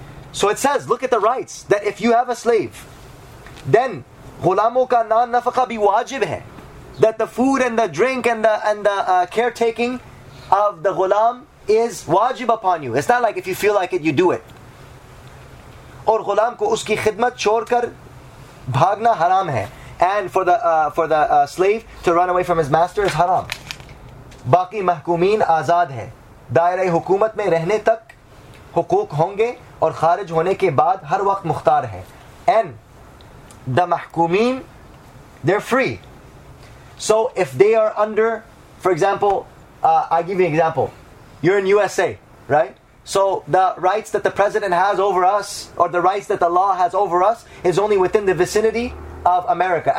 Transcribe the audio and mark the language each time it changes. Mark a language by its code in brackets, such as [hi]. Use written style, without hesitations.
[en] So it says, look at the rights, that if you have a slave, then [ur] ghulamuka na nafaka bi wajib hai, [en] that the food and the drink and the caretaking of the ghulam is wajib upon you. It's not like if you feel like it, you do it. [ur] Aur ghulam ko uski khidmat chhod kar bhagna haram hai. [en] And for the slave to run away from his master is haram. [ur] Baki mahkumin azad hai. دائرہ حکومت میں رہنے تک حقوق ہوں گے اور خارج ہونے کے بعد ہر وقت مختار ہے. [en] And the محکومین, they're free. So if they are under, for example, I give you an example. You're in USA, right? So the rights that the president has over us, or the rights that the law has over us, is only within the vicinity of America.